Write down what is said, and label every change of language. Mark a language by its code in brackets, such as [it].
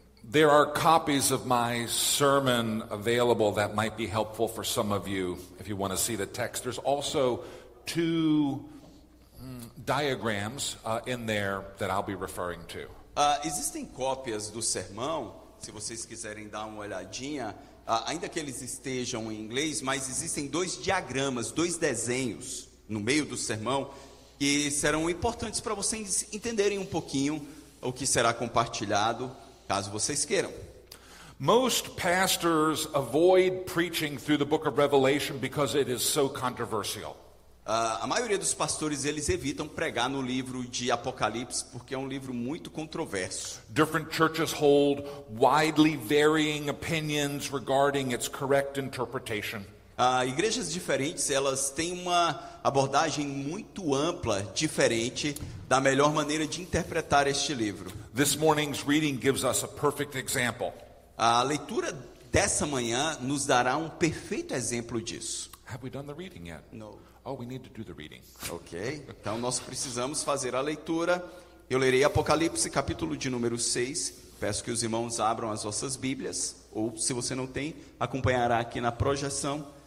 [en] There are copies of my sermon available that might be helpful for some of you if you want to see the text. There's also two diagrams in there that I'll be referring to. [pt] Existem cópias do sermão, se vocês quiserem dar uma olhadinha. Ainda que eles estejam em inglês, mas existem dois diagramas, dois desenhos no meio do sermão que serão importantes para vocês entenderem um pouquinho o que será compartilhado, caso vocês queiram. [en] Most pastors avoid preaching through the book of Revelation because it is so controversial. [pt] A maioria dos pastores, eles evitam pregar no livro de Apocalipse, porque é um livro muito controverso. [en] Different churches hold widely varying opinions regarding its correct interpretation. [pt] Igrejas diferentes, elas têm uma abordagem muito ampla, diferente, da melhor maneira de interpretar este livro. [en] This morning's reading gives us a perfect example. [pt] A leitura dessa manhã nos dará um perfeito exemplo disso. [en] Have we done the reading yet? No. Oh, we need to do the reading. [pt] Ok, então nós precisamos fazer a leitura. Eu lerei Apocalipse, capítulo de número 6. Peço que os irmãos abram as vossas Bíblias, ou se você não tem, acompanhará aqui na projeção.